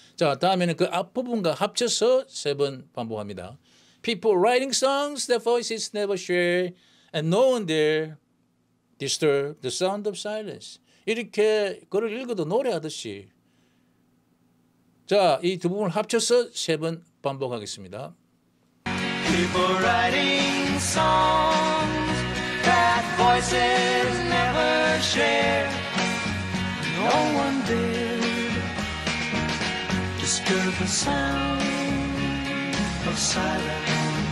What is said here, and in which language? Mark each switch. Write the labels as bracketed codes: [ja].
[ko] 자, 다음에는 그 앞부분과 합쳐서 세 번 반복합니다. [en] People writing songs that voices never share and no one there disturb the sound of silence. [ko] 이렇게 글을 읽어도 노래하듯이. 자, 이 두 부분을 합쳐서 세 번 반복하겠습니다. [en] People writing songs that voices never share. No one did disturb the sound of silence.